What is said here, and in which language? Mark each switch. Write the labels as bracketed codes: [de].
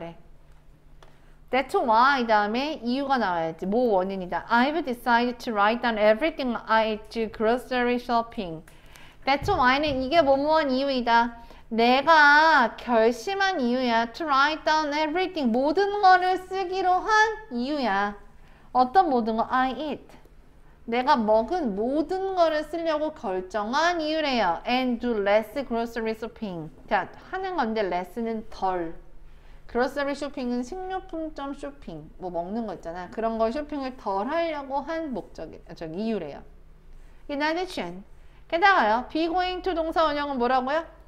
[ko] 달에 [en] that's why [ko] 다음에 이유가 나와야지. 뭐 원인이다. [en] I've decided to write down everything I do grocery shopping. That's why [ko] 는 이게 뭐뭐한 이유이다. 내가 결심한 이유야. [en] To write down everything. [ko] 모든 거를 쓰기로 한 이유야. 어떤 모든 거? [en] I eat. [ko] 내가 먹은 모든 거를 쓰려고 결정한 이유래요. [en] And do less grocery shopping. [ko] 자, 하는 건데 less는 덜. Grocery shopping은 식료품점 쇼핑. 뭐 먹는 거 있잖아. 그런 거 쇼핑을 덜 하려고 한 이유래요. [en] In addition. [ko] 게다가요, be going to 동사 원형은 뭐라고요?